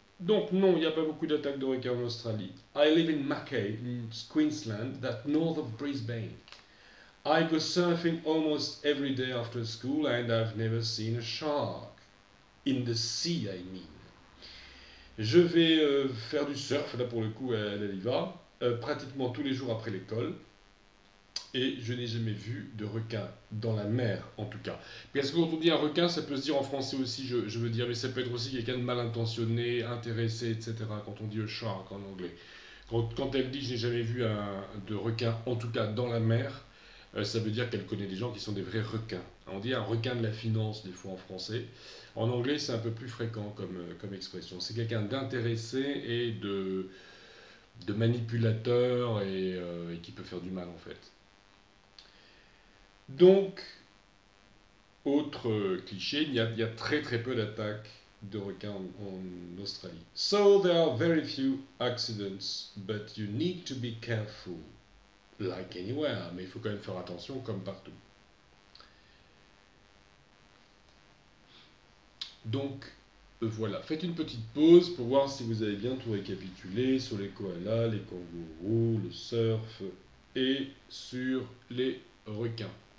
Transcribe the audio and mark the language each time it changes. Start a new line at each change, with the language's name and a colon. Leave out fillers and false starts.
French: Donc non, il n'y a pas beaucoup d'attaques de requins en Australie.
English: I live in Mackay, in Queensland, that north of Brisbane. I go surfing almost every day after school and I've never seen a shark. In the sea, I mean.
French: Je vais faire du surf, là pour le coup, elle y va, pratiquement tous les jours après l'école. Et je n'ai jamais vu de requin dans la mer, en tout cas. Parce que quand on dit un requin, ça peut se dire en français aussi, je veux dire, mais ça peut être aussi quelqu'un de mal intentionné, intéressé, etc. Quand on dit a shark en anglais. Quand elle dit je n'ai jamais vu de requin, en tout cas dans la mer, ça veut dire qu'elle connaît des gens qui sont des vrais requins. On dit un requin de la finance, des fois en français. En anglais, c'est un peu plus fréquent comme expression. C'est quelqu'un d'intéressé et de manipulateur et qui peut faire du mal, en fait. Donc, autre cliché, il y a très très peu d'attaques de requins en Australie.
English: So there are very few accidents, but you need to be careful, like anywhere.
French: Mais il faut quand même faire attention, comme partout. Donc, voilà. Faites une petite pause pour voir si vous avez bien tout récapitulé sur les koalas, les kangourous, le surf et sur les requins.